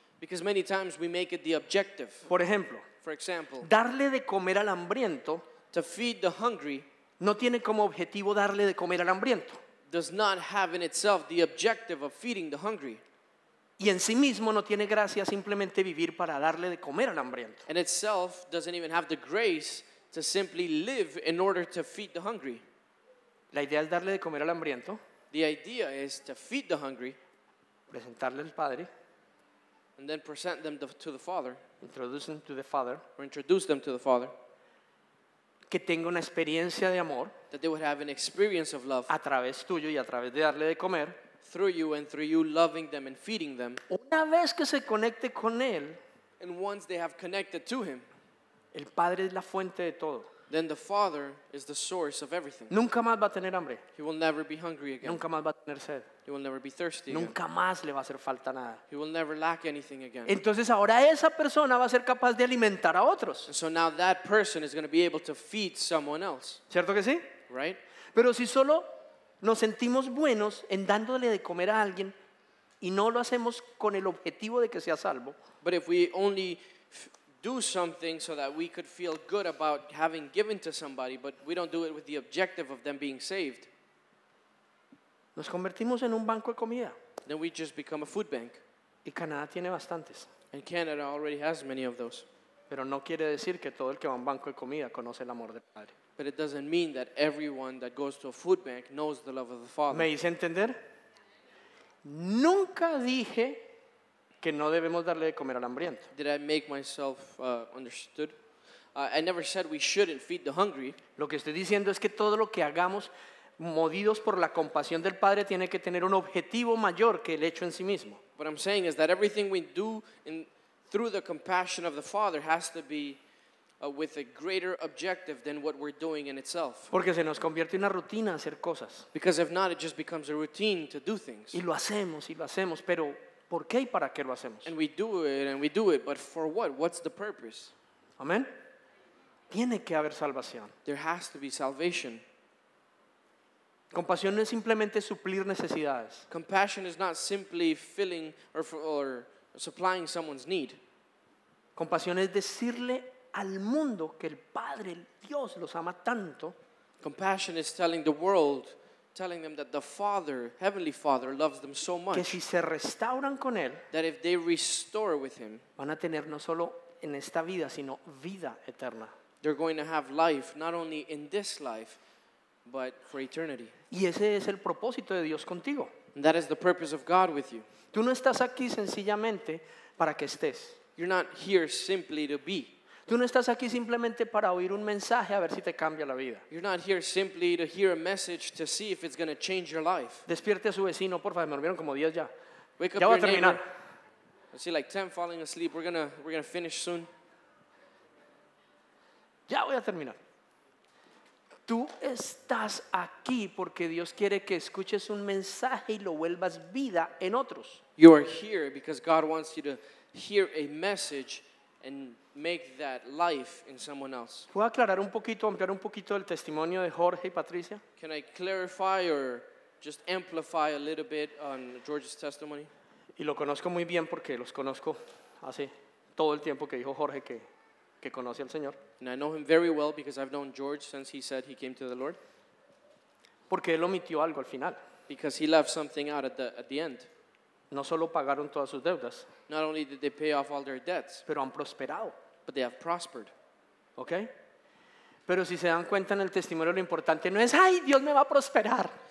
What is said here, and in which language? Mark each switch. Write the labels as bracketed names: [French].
[English] Because many times we make it the objective. [Spanish] Por ejemplo, [English] for example, [Spanish] darle de comer al hambriento. [English] To feed the hungry. [Spanish] No tiene como objetivo darle de comer al hambriento. [English] Does not have in itself the objective of feeding the hungry. [Spanish] Y en sí mismo no tiene gracia simplemente vivir para darle de comer al hambriento. [English] In itself doesn't even have the grace to simply live in order to feed the hungry. [Spanish] La idea es darle de comer al hambriento. [English] The idea is to feed the hungry. [Spanish] Presentarle al padre. [English] And then present them to the father. Introduce them to the father. Or introduce them to the father. [Spanish] Que tenga una experiencia de amor. [English] That they would have an experience of love. [Spanish] A través tuyo y a través de darle de comer. [English] Through you and through you loving them and feeding them. [Spanish] Una vez que se conecte con él. [English] And once they have connected to him. [Spanish] El Padre es la fuente de todo. [English] then the Father is the source of everything. [Spanish] Nunca más va a tener hambre. [English] He will never be hungry again. [Spanish] Nunca más va a tener sed. [English] He will never be thirsty again. [Spanish] Nunca más le va a hacer falta nada. [English] He will never lack anything again. [Spanish] Entonces ahora esa persona va a ser capaz de alimentar a otros. [English] And so now that person is going to be able to feed someone else. [Spanish] ¿Cierto que sí? [English] Right? [Spanish] Pero si solo nos sentimos buenos en dándole de comer a alguien y no lo hacemos con el objetivo de que sea salvo. [English] But if we only do something so that we could feel good about having given to somebody, but we don't do it with the objective of them being saved. [Spanish] Nos convertimos en un banco de comida. [English] Then we just become a food bank. [Spanish] Y Canadá tiene bastantes. [English] And Canada already has many of those. [Spanish] Pero no quiere decir que todo el que va a un banco de comida conoce el amor del Padre. [English] But it doesn't mean that everyone that goes to a food bank knows the love of the Father. [Spanish] ¿Me hice entender? Nunca dije que no debemos darle de comer al hambriento. [English] Did I make myself understood? I never said we shouldn't feed the hungry. [Spanish] Lo que estoy diciendo es que todo lo que hagamos movidos por la compasión del Padre tiene que tener un objetivo mayor que el hecho en sí mismo. [English] What I'm saying is that everything we do in, through the compassion of the Father has to be with a greater objective than what we're doing in itself. [Spanish] Porque se nos convierte en una rutina hacer cosas. [English] Because if not, it just becomes a routine to do things. [Spanish] Y lo hacemos, pero ¿por qué y para qué lo hacemos? [English] And we do it and we do it, but for what? What's the purpose? Amen. [Spanish] Tiene que haber salvación. [English] There has to be salvation. [Spanish] Compasión no es simplemente suplir necesidades. [English] Compassion is not simply filling or supplying someone's need. [Spanish] Compasión es decirle al mundo que el Padre, el Dios, los ama tanto. [English] Compassion is telling the world, telling them that the Father, Heavenly Father, loves them so much. [Spanish] Que si se restauran con él, [English] that if they restore with him, [Spanish] van a tener no solo en esta vida, sino vida eterna. [English] They're going to have life, not only in this life, but for eternity. [Spanish] Y ese es el propósito de Dios contigo. [English] And that is the purpose of God with you. [Spanish] Tú no estás aquí sencillamente para que estés. [English] You're not here simply to be. [Spanish] Tú no estás aquí simplemente para oír un mensaje a ver si te cambia la vida. [English] You're not here simply to hear a message to see if it's going to change your life. [Spanish] Despierte a su vecino, por favor. Me durmieron como 10 ya. [English] Wake [Spanish] ya [English] up [Spanish] va [English] your [Spanish] a terminar. [English] Neighbor. I see like 10 falling asleep. We're gonna finish soon. [Spanish] Ya voy a terminar. Tú estás aquí porque Dios quiere que escuches un mensaje y lo vuelvas vida en otros. [English] You are here because God wants you to hear a message and make that life in someone else. [Spanish] ¿Puedo aclarar un poquito, ampliar un poquito el testimonio de Jorge y Patricia? [English] Can I clarify or just amplify a little bit on George's testimony? [Spanish] Y lo conozco muy bien porque los conozco hace todo el tiempo que dijo Jorge que conoce al Señor. [English] And I know him very well because I've known George since he said he came to the Lord. [Spanish] Porque él omitió algo al final. [English] Because he left something out at the end. [Spanish] No solo pagaron todas sus deudas. [English] Not only did they pay off all their debts. [Spanish] Pero han prosperado. [English] But they have prospered. Okay? [Spanish] Pero si se dan cuenta en el testimonio, lo importante no es, ¡ay, Dios me va a prosperar!